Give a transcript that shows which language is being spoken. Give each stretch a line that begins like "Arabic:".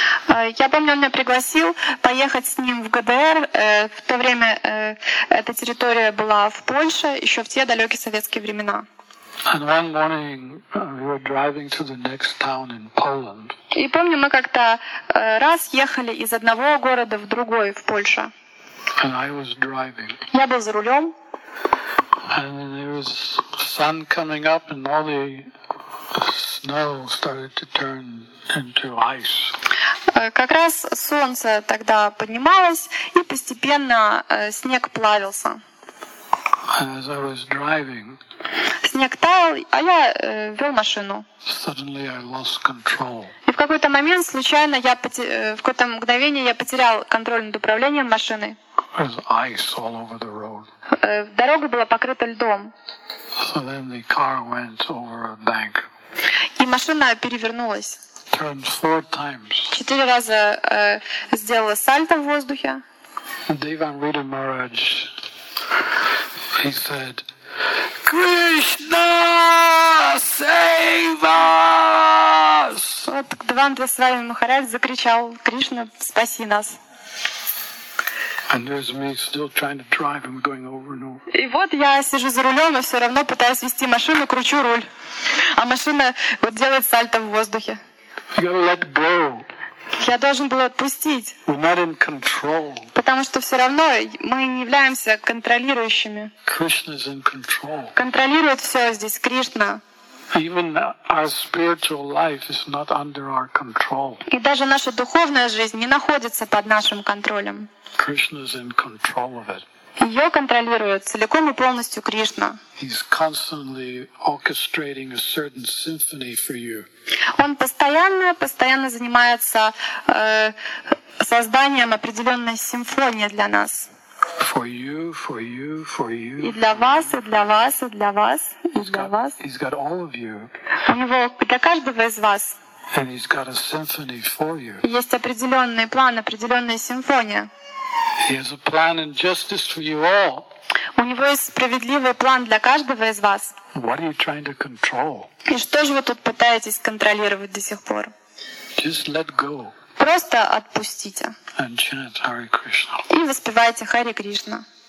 Russian: Я помню, он меня пригласил поехать с ним в ГДР. В то время эта территория была в Польше, еще в те далекие советские времена.
English: And one morning we were driving to the next town in Poland.
Russian: И помню, мы как-то раз ехали из одного города в другой в Польше.
English: And I was driving.
Russian: Я был за рулем.
English: And there was sun coming up, and all the snow started to turn into ice.
Russian: Как раз солнце тогда поднималось, и постепенно снег плавился.
English: And as I was driving,
Russian: снег таял, а я вел машину.
English: Suddenly I lost control.
Russian: И в какой-то момент случайно я в какое-то мгновение я потерял контроль над управлением машины.
English: There's ice all over the road.
Russian: Дорога была покрыта льдом.
English: So then the car went over a bank.
Russian: И машина перевернулась.
English: Turned four times.
Russian: Четыре раза сделала сальто в воздухе.
English: Devan Rudamaraj, he said, Krishna, save us!
Russian: Вот Деван Дасрави Махарадж закричал, Кришна, спаси нас.
English: And there's me still trying to drive and going over and over.
Russian: И вот я сижу за рулем, но все равно пытаюсь вести машину, кручу руль. А машина вот делает сальто в воздухе.
English: You gotta let go.
Russian: Я должен был отпустить.
English: We're not in control.
Russian: Потому что все равно мы не являемся контролирующими.
English: Krishna's in control.
Russian: Контролирует все здесь Кришна.
English: Even our spiritual life is not under our control.
Russian: И даже наша духовная жизнь не находится под нашим контролем.
English: Krishna's in control of it.
Russian: Ее контролирует целиком и полностью Кришна.
English: He's constantly orchestrating a certain symphony for you.
Russian: Он постоянно занимается созданием определенной симфонии для нас.
English: For you, for you, for you.
Russian: И для вас, и для вас, и для вас, и для вас.
English: He's got all of you.
Russian: У него для каждого из вас.
English: And he's got a symphony for you.
Russian: Есть определенный план, определенная симфония.
English: He has a plan and justice for you all.
Russian: У него есть справедливый план для каждого из вас.
English: What are you trying to control?
Russian: И что же вы тут пытаетесь контролировать до сих пор?
English: Just let go.
Russian: Просто отпустите.
English: And chant Hare Krishna.
Russian: И воспевайте Хари Кришна.